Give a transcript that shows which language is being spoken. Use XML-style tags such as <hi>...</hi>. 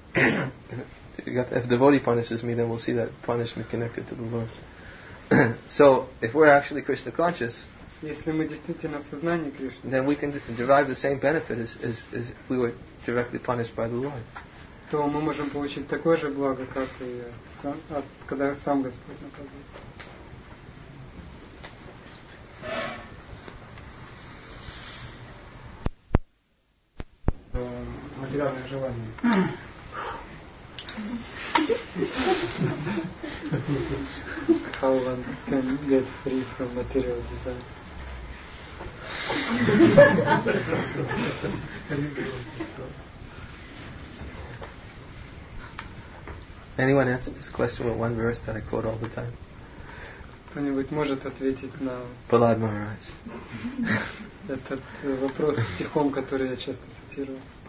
<en>If devotee punishes me, then we'll see that punishment connected to the Lord. So if we're actually Krishna conscious,</en> <ru>если мы действительно в сознании Кришны,</ru> <en>then we can derive the same benefit as if we were directly punished by the Lord.</en> <ru>То мы можем получить такое же благо, как и сам, от, когда сам Господь наказывает. Материальное желание.</ru> <en>How one can get free from material desire. Anyone answer this question with one verse that I quote all the time?</en> <ru>Кто-нибудь может ответить на</ru> <en>Prahlad Maharaj.</en> <ru>Этот вопрос стихом, который я часто цитирую.</ru>